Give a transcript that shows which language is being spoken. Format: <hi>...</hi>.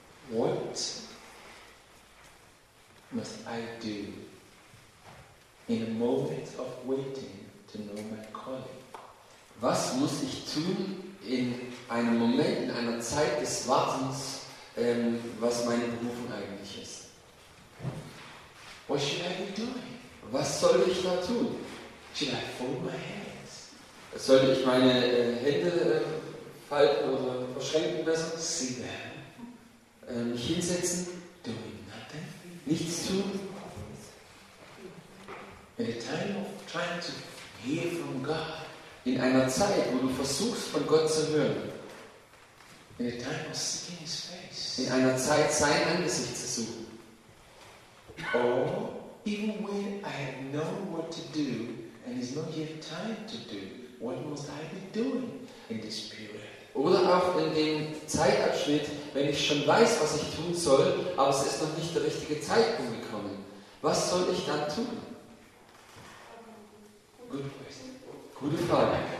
<en>What must I do in a moment of waiting to know my calling?</en> <de>Was muss ich tun in einem Moment, in einer Zeit des Wartens, was meine Berufung eigentlich ist?</de> <en>What should I be doing?</en> <de>Was soll ich da tun?</de> <en>Should I fold my hands?</en> <de>Soll ich meine Hände falten oder verschränken lassen?</de> <en>Sit down.</en> <de>Mich hinsetzen?</de> <en>Doing nothing.</en> <de>Nichts tun?</de> <en>In a time of trying to hear from God.</en> <de>In einer Zeit, wo du versuchst, von Gott zu hören.</de> <en>In a time of seeking His face.</en> <de>In einer Zeit, sein Angesicht zu suchen.</de> <en>Or even when I have known what to do and it's not yet time to do, what must I be doing in this period?</en> <de>Oder auch in dem Zeitabschnitt, wenn ich schon weiß, was ich tun soll, aber es ist noch nicht der richtige Zeitpunkt gekommen. Was soll ich dann tun? Gute Frage.</de>